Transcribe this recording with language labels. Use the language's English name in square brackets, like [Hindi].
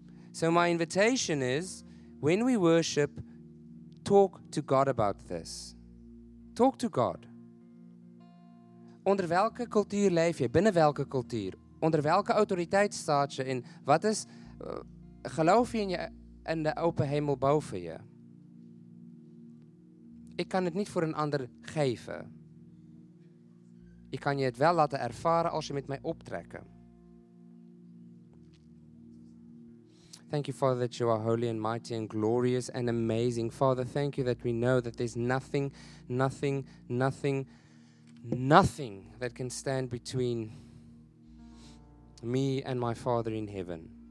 [English] So my invitation is, when we worship, talk to God about this. Talk to God. [Dutch] Onder welke cultuur leef je? Binnen welke cultuur? Onder welke autoriteit staat je? En wat is, geloof je in de open hemel boven je? Ik kan het niet voor een ander geven. Ik kan je het wel laten ervaren als je met mij optrekken. [English] Thank you, Father, that you are holy and mighty and glorious and amazing. Father, thank you that we know that there's nothing, nothing, nothing, nothing that can stand between me and my Father in heaven.